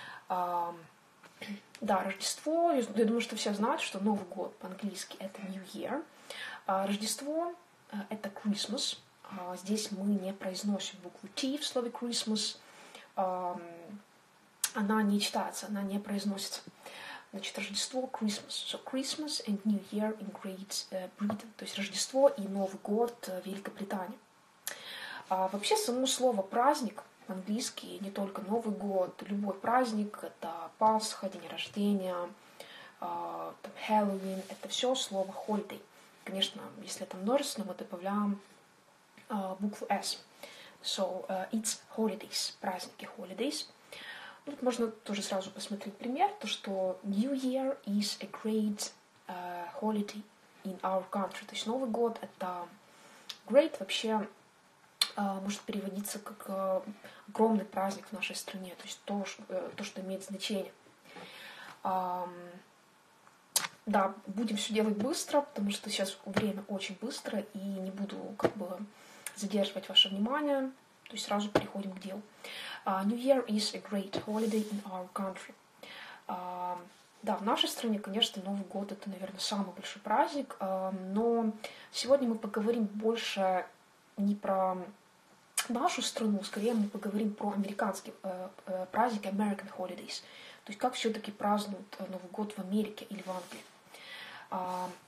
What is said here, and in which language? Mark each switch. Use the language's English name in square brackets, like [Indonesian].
[Russian] Да, Рождество, я думаю, что все знают, что Новый год по-английски — это New Year. Рождество — это Christmas. Здесь мы не произносим букву T в слове Christmas. Она не читается, она не произносится. Значит, Рождество, Christmas. [English] So, Christmas and New Year in Great Britain. [Russian] То есть Рождество и Новый год в Великобритании. Вообще, само слово «праздник» в английский, не только Новый год, любой праздник — это Пасха, день рождения, там, Хэллоуин — это все слово «holiday». Конечно, если это множественное, мы добавляем букву «s». [English] So, it's holidays, праздники holidays. [Russian] Тут можно тоже сразу посмотреть пример, то, что [English] New Year is a great holiday in our country. [Russian] То есть Новый год — это great, вообще может переводиться как огромный праздник в нашей стране, то есть то, что имеет значение. Да, будем все делать быстро, потому что сейчас время очень быстро, и не буду как бы задерживать ваше внимание, то есть сразу переходим к делу. [English] New Year is a great holiday in our country. [Russian] Да, в нашей стране, конечно, Новый год — это, наверное, самый большой праздник, но сегодня мы поговорим больше не про нашу страну, скорее мы поговорим про американские праздники, [English] American holidays, [Russian] то есть как все-таки празднуют Новый год в Америке или в Англии.